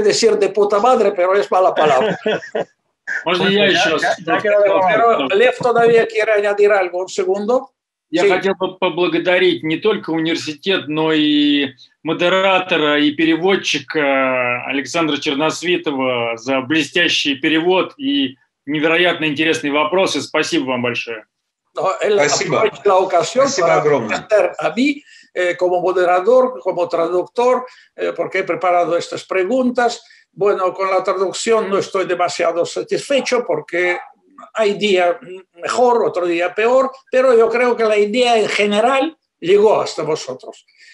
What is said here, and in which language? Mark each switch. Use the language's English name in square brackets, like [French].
[Spanish] decir de puta madre, pero es mala palabra. [Russian] Можно я еще? [Spanish] Лев todavía quiere añadir algo, un segundo. [Russian] Я хотел бы поблагодарить не только университет, но и модератора и переводчика Александра Черносвитова за блестящий перевод и невероятно интересные вопросы. Спасибо вам большое. [Spanish] No, él aprovechó la ocasión para agradecer a mí como moderador, como traductor, porque he preparado estas preguntas. Bueno, con la traducción no estoy demasiado satisfecho porque hay día mejor, otro día peor, pero yo creo que la idea en general llegó hasta vosotros.